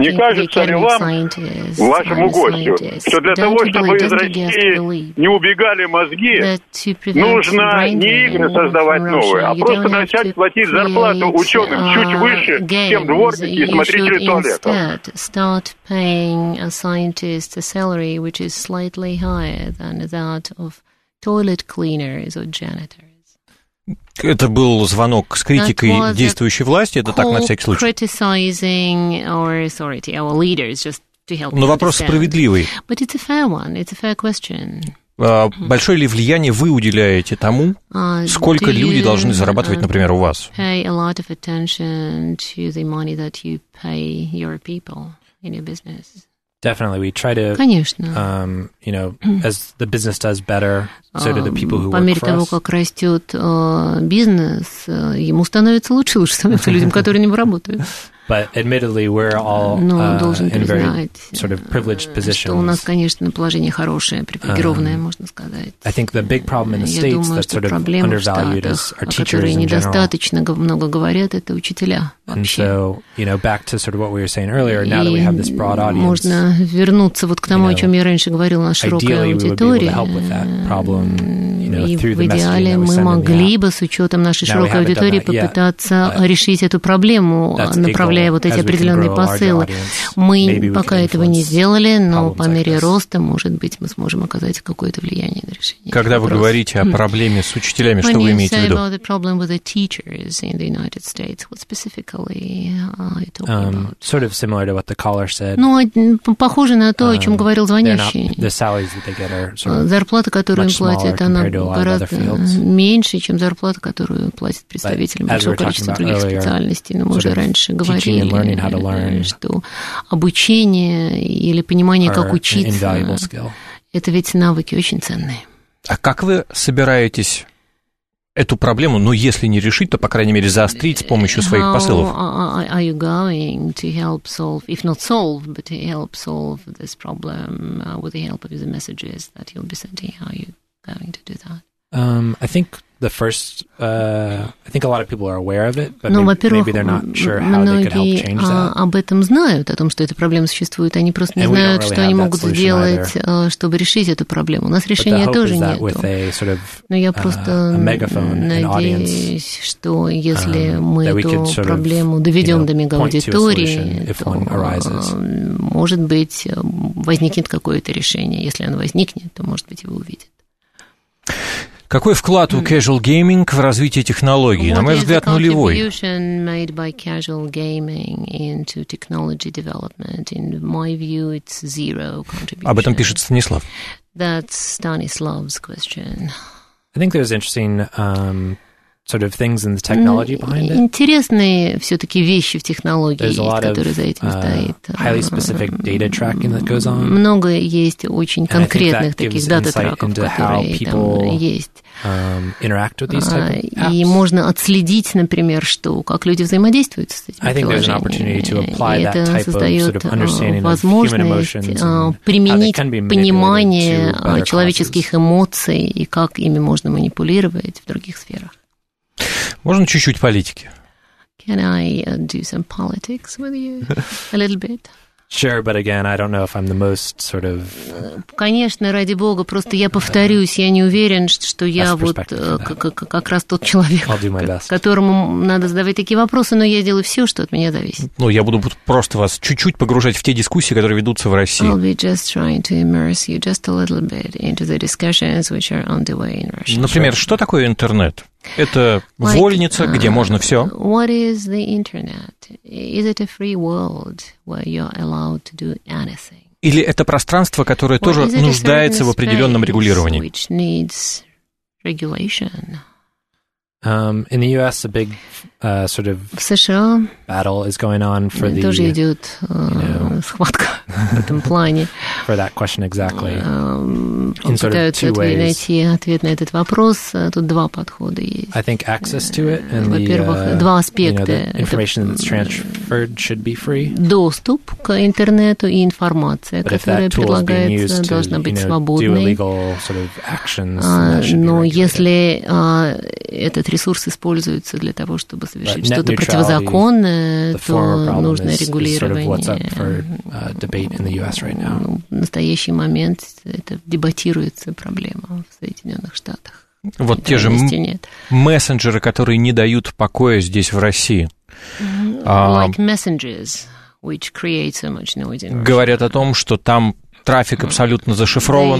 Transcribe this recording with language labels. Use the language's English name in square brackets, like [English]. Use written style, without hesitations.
[Russian] Не кажется ли вам, вашему гостю, что для того, чтобы из России не убегали мозги, нужно не игры создавать новые, а просто начать платить зарплату ученым чуть выше, чем дворники и смотрители туалетов? [English] Than that of toilet cleaners or janitors. [Russian] Это был звонок с критикой действующей власти, это так на всякий случай. [English] Criticizing our authority, our leaders, just to help. [Russian] Но вопрос справедливый. [English] But it's a fair one. It's a fair question. [Russian] Большое ли влияние вы уделяете тому, сколько люди должны зарабатывать, например, у вас? [English] Definitely, we try to. [Russian] Конечно. [English] You know, as the business does better, so do the people who work for us. [Russian] По мере того, как растет бизнес, ему становится лучше, лучше становится людям, которые не работают. [English] But admittedly, we're all in very sort of privileged positions. [Russian] У нас, конечно, положение хорошее, привилегированное, можно сказать. [English] I think the big problem in the states that sort of undervalued is our teachers in general. [Russian] Недостаточно много говорят, это учителя вообще. [English] And so, you know, back to sort of what we were saying earlier. Now that we have this broad audience, [Russian] можно вернуться вот к тому, о чем я раньше говорил, на широкую аудиторию. И в идеале мы могли бы, с учетом нашей широкой аудитории, попытаться решить эту проблему, направляя вот эти определенные посылы. Мы пока этого не сделали, но по мере роста, может быть, мы сможем оказать какое-то влияние на решение. Когда вы говорите о проблеме с учителями, что вы имеете в виду? [English] About the problem with the teachers in the United States, what specifically are you talking about? Sort of similar to what the caller said. [Russian] Ну, похоже на то, о чем говорил звонящий. [English] The salaries that they get are sort of [Russian] зарплата, которую им платят, она гораздо меньше, чем зарплата, которую платят представителям большого количества других специальностей. Но мы уже раньше говорили, что обучение или понимание, как учиться, это ведь навыки очень ценные. А как вы собираетесь эту проблему, ну, если не решить, то, по крайней мере, заострить с помощью своих посылов? [English] How are you going to help solve, if not solve, but to help solve this problem with the help of the messages that you'll be sending? How are you going to do that? I think the first, I think a lot of people are aware of it, but no, maybe they're not sure how they could help change that. [Russian] Об этом знают, о том, что эта проблема существует, они просто не знают, что они могут сделать, чтобы решить эту проблему. У нас решения тоже нету. Но я просто надеюсь, что если мы эту проблему доведем до мегааудитории, то, может быть, возникнет какое-то решение. Если оно возникнет, то, может быть, его увидят. Какой вклад у casual gaming в развитие технологий? На мой взгляд, нулевой. [English] What is the contribution made by casual gaming into technology development? In my view, it's zero contribution. [Russian] Об этом пишет Станислав. [English] That's Stanislav's question. I think there's interesting sort of things in the technology behind it. [Russian] Интересные все-таки вещи в технологии, которые за этим стоят. [English] Highly specific data tracking that goes on. [Russian] Много есть очень конкретных таких дата-траков, которые там есть. [English] Interact with these type of apps. [Russian] И можно отследить, например, что, как люди взаимодействуют с этими приложениями. Это создает возможность применить понимание человеческих эмоций и как ими можно манипулировать в других сферах. Можно чуть-чуть политики? [English] Can I do some politics with you a little bit? Sure, but again, I don't know if I'm the most sort of. [Russian] Конечно, ради бога, просто я повторюсь, я не уверен, что я вот как раз тот человек, которому надо задавать такие вопросы, но я делаю все, что от меня зависит. Ну, я буду просто вас чуть-чуть погружать в те дискуссии, которые ведутся в России. [English] I'll be just trying to immerse you just a little bit into the discussions which are underway in Russia. [Russian] Например, что такое интернет? Это вольница, где можно все. [English] What is the internet? Is it a free world where you're allowed to do anything? [Russian] Или это пространство, которое тоже нуждается в определенном регулировании? [English] Which needs regulation? In the US, a big sort of battle is going on for the. [Russian] Тоже идет схватка в этом плане. [English] For that question exactly. [Russian] Пытаются найти ответ на этот вопрос. Тут два подхода есть. [English] I think access to it and [Russian] два аспекта. [English] Information that's transferred should be free. [Russian] Доступ к интернету и информация, которая предлагается, должна быть свободной. Но если этот ресурс используется для того, чтобы совершить что-то противозаконное, то нужно регулирование. В настоящий момент это дебатируется проблема в Соединенных Штатах. Вот те же мессенджеры, которые не дают покоя здесь, в России. [English] Like messengers, which create so much noise in Russia. [Russian] Говорят о том, что там трафик абсолютно зашифрован.